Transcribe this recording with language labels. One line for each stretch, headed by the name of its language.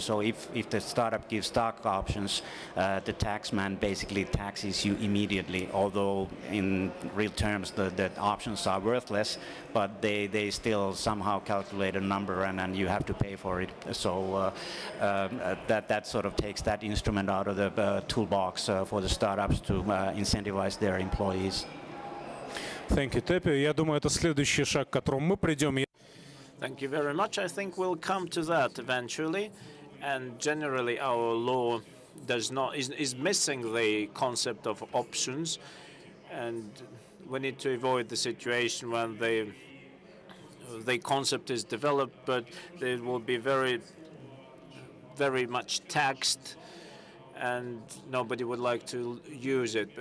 English: So if the startup gives stock options, the tax man basically taxes you immediately, although in real terms the options are worthless, but they still somehow calculate a number and you have to pay for it. So that sort of takes that instrument out of the toolbox for the startups to incentivize their employees. Thank you, Tapio.
Russian: Я думаю, это следующий шаг, к которому мы придём.
English: Thank you very much. I think we'll come to that eventually. And generally, our law is missing the concept of options, and we need to avoid the situation when the the concept is developed, but it will be very, very much taxed, and nobody would like to use it.